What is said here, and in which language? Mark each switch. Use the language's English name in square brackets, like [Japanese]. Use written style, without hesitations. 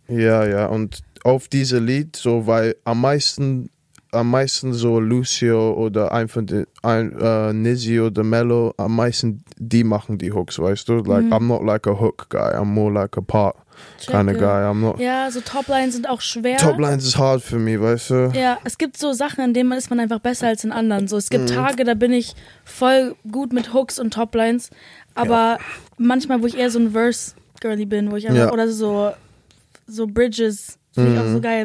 [German] Ja, ja, und auf diese Lied, so, weil am meisten so Lucio oder Nizzy oder Mello, am meisten die machen die Hooks, weißt du? [English] Like, I'm not like a hook guy, I'm more like a part kind of guy. I'm not. [German] Ja, so Toplines sind auch schwer. Toplines ist hard für mich, weißt du? Ja, es gibt so Sachen, in denen ist man einfach besser als in anderen. So, es gibt Tage, da bin ich voll gut mit Hooks und Toplines, aber manchmal, wo ich eher so ein Verse-Girly bin, wo ich einfach, oder so Bridges, finde ich auch so geil.